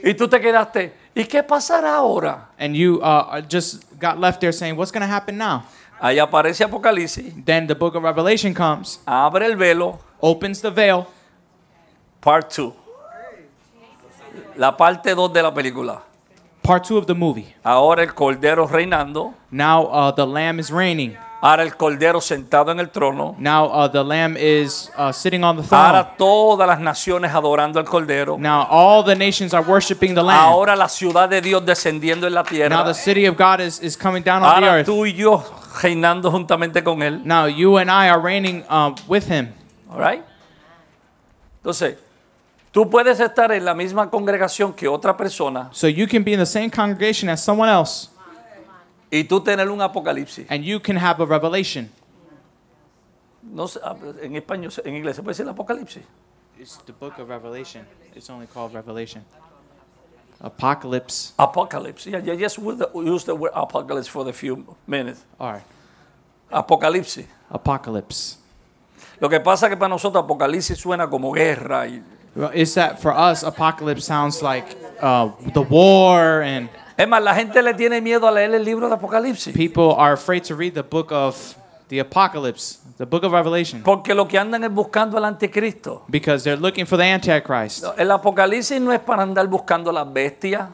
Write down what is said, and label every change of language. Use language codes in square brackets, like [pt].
[es] Y tú te quedaste, ¿y qué pasará ahora? [en] And you just got left there saying, what's going to happen now? [es] Ahí aparece Apocalipsis. [en] Then the book of Revelation comes. [es] Abre el velo. [en] Opens the veil. Part 2. [es] La parte 2 de la película. [en] Part 2 of the movie. [es] Ahora el cordero reinando. [en] Now the lamb is reigning. [es] Ahora el cordero sentado en el trono. [en] Now the lamb is sitting on the throne. [es] Ahora todas las naciones adorando al cordero. [en] Now all the nations are worshiping the lamb. [es] Ahora la ciudad de Dios descendiendo en la tierra. [en] Now the city of God is coming down on [es] ahora [en] the earth. [es] Ahora tú y yo reinando juntamente con él. [en] Now you and I are reigning with him. All right? [es] Entonces, tú puedes estar en la misma congregación que otra persona. [en] So you can be in the same congregation as someone else. [es] Y tú tener un apocalipsis. [en] And you can have a revelation. [es] No sé, en español, en inglés, ¿se puede decir apocalipsis? [en] It's the book of Revelation. It's only called Revelation. Apocalypse. Apocalypse. Yeah, yeah, just use the word apocalypse for the few minutes. All right. [es] Apocalipsis. [en] Apocalypse. [es] Lo que pasa que para nosotros apocalipsis suena como guerra. Y... [en] Is that for us, apocalypse sounds like the war and... [es] Es más, la gente le tiene miedo a leer el libro de Apocalipsis. [en] People are afraid to read the book of the Apocalypse, the book of Revelation. [es] Porque lo que andan es buscando al anticristo. [en] Because they're looking for the Antichrist. [es] El Apocalipsis no es para andar buscando las bestias.